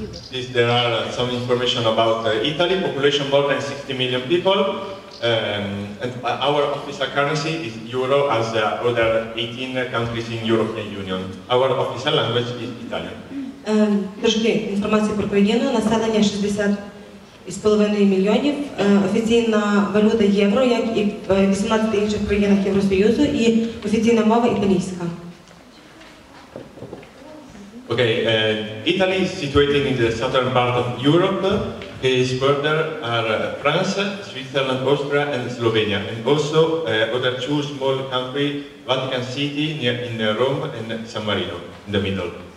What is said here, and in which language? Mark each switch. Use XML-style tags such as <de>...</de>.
<en>This, there are some information about Italy, population more than 60 million people. And our official currency is euro, as other 18 countries in European Union. Our official language is Italian.</en> <uk>Трошки інформації про країну. Населення 60,5 мільйонів. Офіційна валюта євро, як і в 18 інших країнах Євросоюзу, і офіційна мова італійська.</uk> <en>Okay, Italy is situated in the southern part of Europe. Its border are France, Switzerland, Austria and Slovenia, and also other two small countries, Vatican City near in Rome and San Marino in the middle.</en>